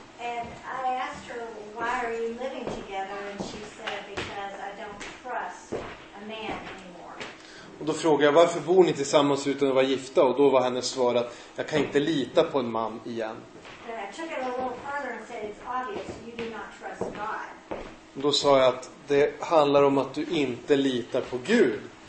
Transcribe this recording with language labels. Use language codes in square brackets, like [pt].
[en] And I asked her, why are you living together? And she said, because I don't trust a man anymore. [sv] Och då frågade jag, varför bor ni tillsammans utan att vara gifta? Och då var hennes svar att jag kan inte lita på en man igen. [en] But I took it a little further and said, it's obvious you do not trust God. [sv] Och då sa jag att det handlar om att du inte litar på Gud.